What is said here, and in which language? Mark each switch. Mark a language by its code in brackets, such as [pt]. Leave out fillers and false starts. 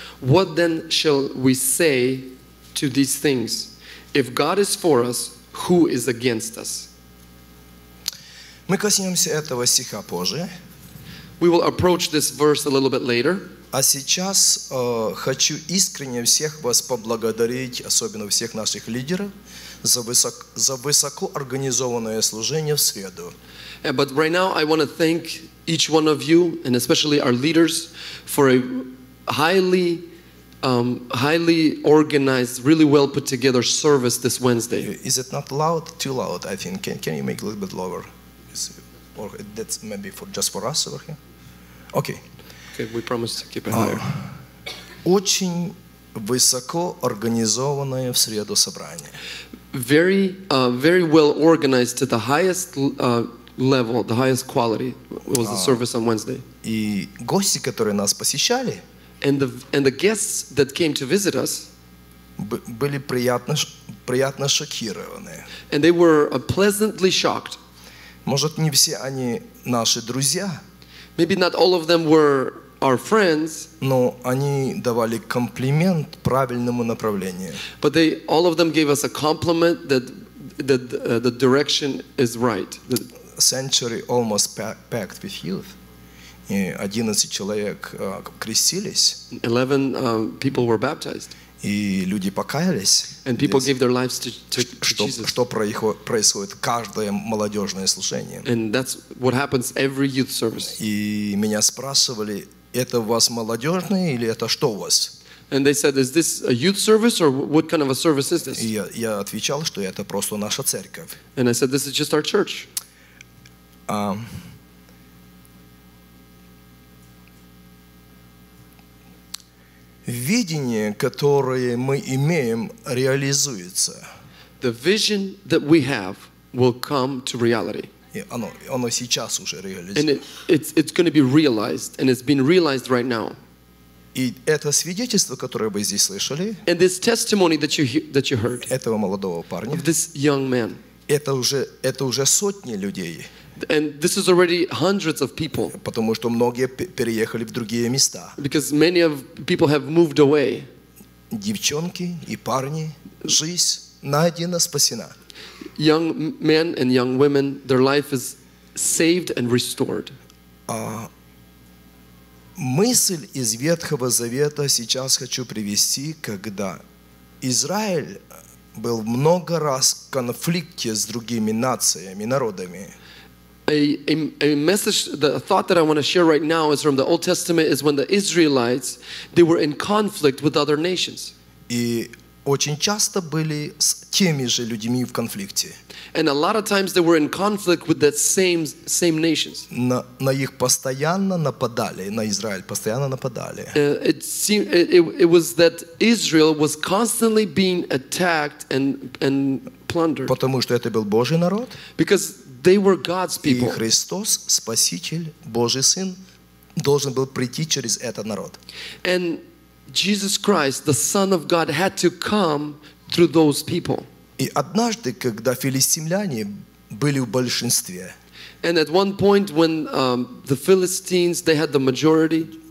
[en] What then shall we say to these things? If God is for us, who is against us? [ru] Мы коснемся этого стиха позже. [en] We will approach this verse a little bit later. [ru] А сейчас хочу искренне всех вас поблагодарить, особенно всех наших лидеров, за высоко организованное служение в среду. [en] Yeah, but right now I want to thank each one of you, and especially our leaders, for a highly, highly organized, really well put together service this Wednesday. Is it not loud? Too loud, I think. Can you make it a little bit lower? Or that's maybe for just for us over here? Okay. We promise to keep it higher. [ru] Очень высоко организованное в среду собрание. [en] Very, very well organized to the highest level, the highest quality was the service on Wednesday. [ru] И гости, которые нас посещали, [en] and the guests that came to visit us, [ru] были приятно шокированы. [en] And they were pleasantly shocked. [ru] Может, не все они наши друзья. [en] Maybe not all of them were our friends, [ru] но они давали комплимент правильному направлению. [en] But they, all of them gave us a compliment that the direction is right. The sanctuary almost packed with youth. [ru] И 11 человек крестились. [en] 11 people were baptized. [ru] И люди покаялись. [en] And people [ru] здесь [en] gave their lives to Jesus. [ru] Что происходит каждое молодежное служение. [en] And that's what happens every youth service. [ru] И меня спрашивали: это у вас молодежное или это что у вас? [en] And they said, is this a youth service or what kind of a service is this? [ru] Я отвечал, что это просто наша церковь. [en] And I said, this is just our church. [ru] Видение, которое мы имеем, реализуется. [en] The vision that we have will come to reality. [ru] Оно сейчас уже реализуется. [en] And it's going to be realized, and it's been realized right now. [ru] И это свидетельство, которое вы здесь слышали, [en] and this testimony that you heard, [ru] этого молодого парня, [en] of this young man, [ru] это уже сотни людей. [en] And this is already hundreds of people. [ru] Потому что многие переехали в другие места. [en] Because many of people have moved away. [ru] Девчонки и парни, жизнь найдена, спасена. [en] Young men and young women, their life is saved and restored. [ru] Мысль из Ветхого Завета сейчас хочу привести, когда Израиль был много раз в конфликте с другими нациями, народами. [en] A message, the thought that I want to share right now is from the Old Testament, is when the Israelites, they were in conflict with other nations. [ru] И очень часто были с теми же людьми в конфликте. [en] And a lot of times they were in conflict with that same nations. [ru] На их постоянно нападали, на Израиль постоянно нападали. [en] It was that Israel was constantly being attacked and plundered. [ru] Потому что это был Божий народ. [en] Because they were God's people. [ru] И Христос, Спаситель, Божий Сын, должен был прийти через этот народ. [en] And Jesus Christ, the Son of God, had to come through those people. [ru] И однажды, когда филистимляне были в большинстве, [en] and at one point when the Philistines, they had the majority,